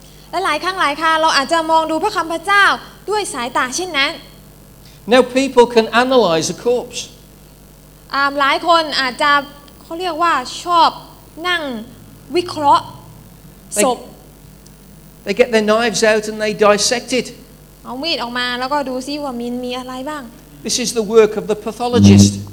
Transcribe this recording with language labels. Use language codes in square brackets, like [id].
[th] และหลายครั้งหลายคราวเราอาจจะมองดูพระคำพระเจ้าด้วยสายตาเช่นนั้น [en] Now people can analyze a corpse [th] หลายคนอาจจะเขาเรียกว่าชอบนั่งวิเคราะห์ศพ [en] They get their knives out and they dissect it [th] เอามีดออกมาแล้วก็ดูซิว่ามีอะไรบ้าง [en] This is the work of the pathologist.